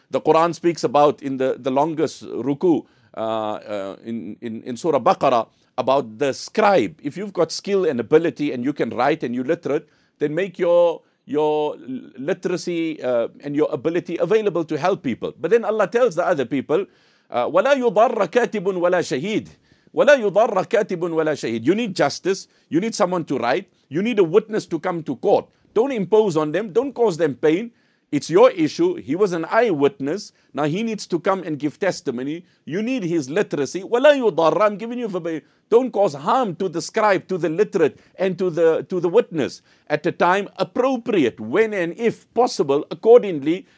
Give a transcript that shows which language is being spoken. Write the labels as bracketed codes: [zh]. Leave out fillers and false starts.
[en] The Quran speaks about in the longest ruku in Surah Baqarah about the scribe. If you've got skill and ability and you can write and you're literate, then make your literacy and your ability available to help people. But then Allah tells the other people, [ar] وَلَا يُضَرَّ كَاتِبٌ وَلَا شَهِيدٌ وَلَا يُضَرَّ كَاتِبٌ وَلَا شَهِيدٌ. [en] You need justice. You need someone to write. You need a witness to come to court. Don't impose on them. Don't cause them pain. It's your issue. He was an eyewitness. Now he needs to come and give testimony. You need his literacy. [ar] وَلَا يُضَرَّ, [en] I'm giving you verbatim. Don't cause harm to the scribe, to the literate, and to the witness at the time appropriate, when and if possible, accordingly.